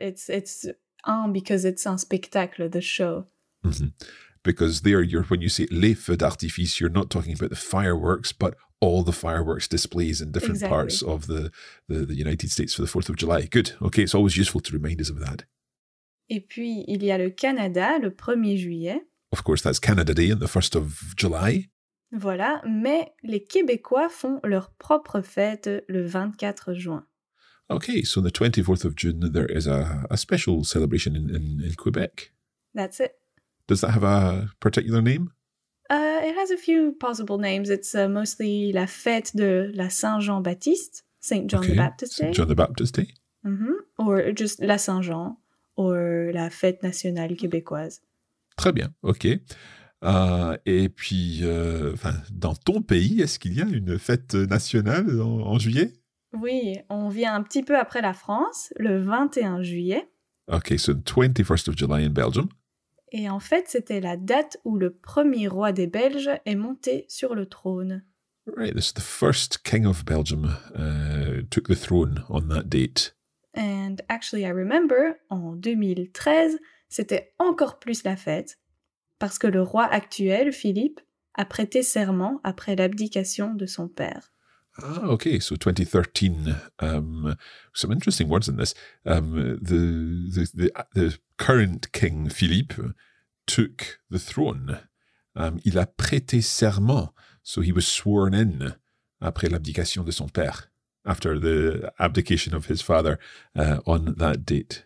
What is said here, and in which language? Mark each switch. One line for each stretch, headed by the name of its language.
English: It's un because it's un spectacle, the show. Mm-hmm. Because there, you're when you say
French: les feux d'artifice,
English: you're not talking about the fireworks, but all the fireworks displays in different exactly. parts of the United States for the 4th of July. Good. Okay, it's always useful to remind us of that.
French: Et puis, il y a le Canada, le 1er juillet.
English: Of course, that's Canada Day on the 1st of July.
French: Voilà, mais les Québécois font leur propre fête le 24 juin.
English: Okay, so on the 24th of June, there is a special celebration in Quebec. That's it. Does that have a particular name? It has a few possible names. It's mostly la fête de la Saint-Jean-Baptiste, Saint John okay. the Baptist Day. Saint John the Baptist Day. Mm-hmm. Or just la Saint-Jean, or la fête nationale québécoise.
French: Très bien, ok. Et puis, dans ton pays, est-ce qu'il y a une fête nationale en juillet? Oui, on vient un petit peu après la France, le 21 juillet.
English: Ok, so the 21st of July in Belgium.
French: Et en fait, c'était la date où le premier roi des Belges est monté sur le trône.
English: Right, this is the first king of Belgium took the throne on that date. And actually, I remember,
French: en 2013, c'était encore plus la fête, parce que le roi actuel, Philippe, a prêté serment après l'abdication de son père.
English: Ah, okay, so 2013. Some interesting words in this. The current king, Philippe, took the throne.
French: Il a prêté serment,
English: so he was sworn in
French: après l'abdication de son père.
English: After the abdication of his father on that date.